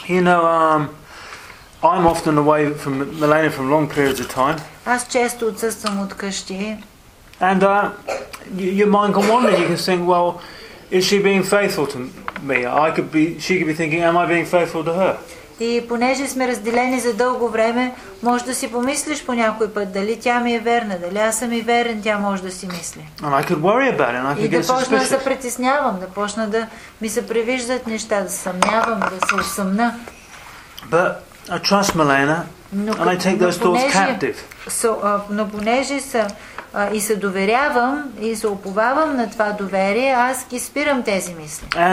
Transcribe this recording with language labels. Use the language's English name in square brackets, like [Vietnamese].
[English] You know, I'm often away from Milena from long periods of time. [Bulgarian] Аз често отсъствам от къщи. [English] And your mind can wander. You can think, well, is she being faithful to me? She could be thinking, am I being faithful to her? [Bulgarian] И понеже сме разделени за дълго време, може да си помислиш по някой път дали тя ми е верна, дали аз съм и верен, тя може да си мисли. [English] And I could worry about it, and I could get suspicious. [Bulgarian] И да почна да се притеснявам, да почна да ми се привиждат неща, да съмнявам, да се усъмна. [English] But I trust Milena, and I take those thoughts captive. [Bulgarian] Но понеже са и се доверявам и се уповавам на това доверие, аз ги спирам тези мисли.